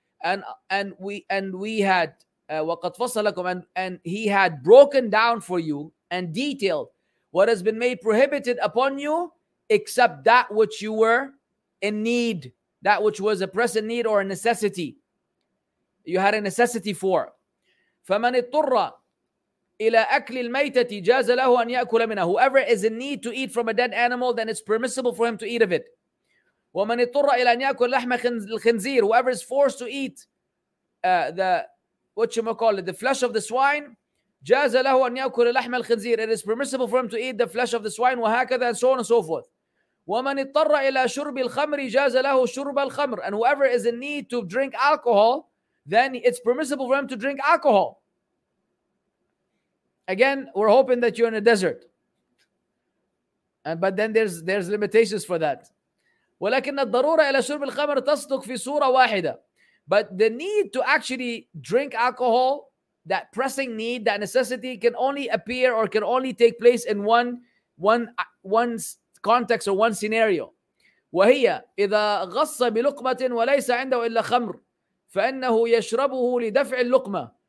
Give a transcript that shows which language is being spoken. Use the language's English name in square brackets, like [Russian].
[English] And he had broken down for you and detailed what has been made prohibited upon you, except that which you were in need, that which was a present need or a necessity. You had a necessity for. [Arabic] فَمَنِ اضْطُرَّ إلى أكل الميتة جاز له أن يأكل منها. [English] Whoever is in need to eat from a dead animal, then it's permissible for him to eat of it. [Arabic] ومن اضطر إلى أن يأكل لحم الخنزير. [English] Whoever is forced to eat the flesh of the swine, [Arabic] جاز له أن يأكل لحم الخنزير. [English] It is permissible for him to eat the flesh of the swine. [Arabic] وهكذا, [English] and so on and so forth. [Arabic] ومن اضطر إلى شرب الخمر جاز له شرب الخمر. [English] And whoever is in need to drink alcohol, then it's permissible for him to drink alcohol. Again, we're hoping that you're in a desert. But then there's limitations for that. [Arabic] ولكن الضرورة إلى شرب الخمر تصدق في صورة واحدة. [English] But the need to actually drink alcohol, that pressing need, that necessity, can only appear or can only take place in one context or one scenario. [Arabic] وهي إذا غص بلقمة وليس عنده إلا خمر فإنه يشربه لدفع اللقمة.